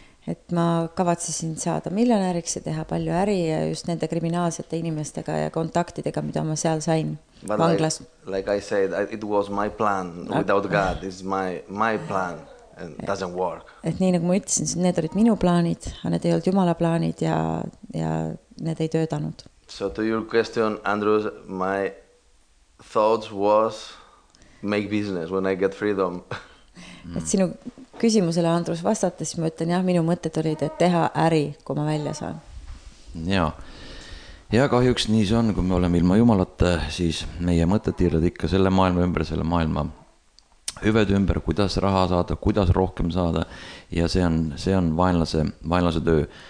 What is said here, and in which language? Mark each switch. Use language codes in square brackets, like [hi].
[et] Et ma kavatsesin saada miljonäriks ja teha palju äri ja just nende kriminaalsete inimestega ja kontaktidega, mida ma seal sain [en] But [et] vanglas. [en] Like I said, it was my plan without God. It's my plan and it doesn't work. [et] Et nii nagu ma ütlesin, need olid minu plaanid, aga need ei olnud Jumala plaanid ja need ei töötanud. [en] So to your question, Andrew, my thoughts was make business when I get freedom. [et] Et sinu küsimusele Andrus vastates, siis ma ütlen, jah, minu mõtted olid, et teha äri, kui ma välja saan. Ja kahjuks nii see on, kui me oleme ilma jumalate, siis meie mõtted tiirad ikka selle maailma ümber, selle maailma hüved ümber, kuidas raha saada, kuidas rohkem saada ja see on vaenlase töö.